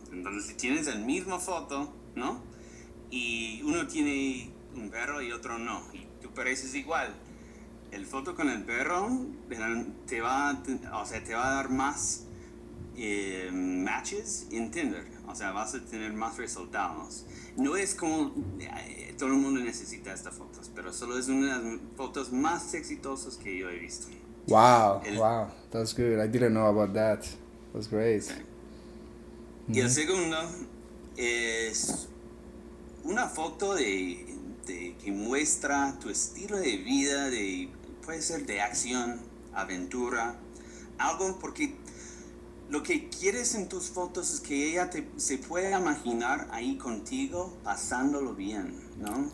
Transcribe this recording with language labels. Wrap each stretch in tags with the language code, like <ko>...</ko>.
<es>Entonces, si tienes el mismo foto, ¿no? Y uno tiene un perro y otro no, y tú pareces igual, el foto con el perro te va a dar más matches en Tinder, o sea, vas a tener más resultados. No es como todo el mundo necesita estas fotos, pero solo es una de las fotos más exitosas que yo he visto.</es> <en>Wow, that's good, I didn't know about that, that's great. Okay.</en> <es>Mm-hmm. Y el segundo es una foto de que muestra tu estilo de vida, puede ser de acción, aventura, algo, porque lo que quieres en tus fotos es que ella se pueda imaginar ahí contigo pasándolo bien, ¿no?</es>